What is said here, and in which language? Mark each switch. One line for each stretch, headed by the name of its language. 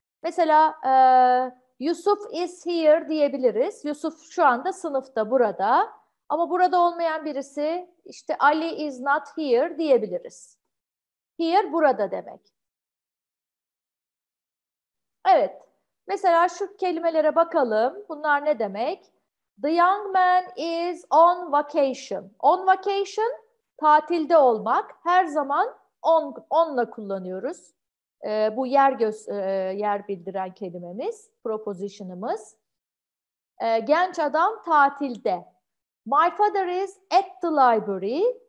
Turkish: Mesela Yusuf
English: is here
Turkish: diyebiliriz. Yusuf şu anda sınıfta, burada. Ama burada olmayan birisi, işte Ali
English: is not here
Turkish: diyebiliriz. Here burada demek. Evet. Mesela şu kelimelere bakalım. Bunlar ne demek?
English: The young man is on vacation. On vacation,
Turkish: tatilde olmak. Her zaman onla kullanıyoruz. Bu yer bildiren kelimemiz, propositionımız. Genç adam tatilde.
English: My father is at the library.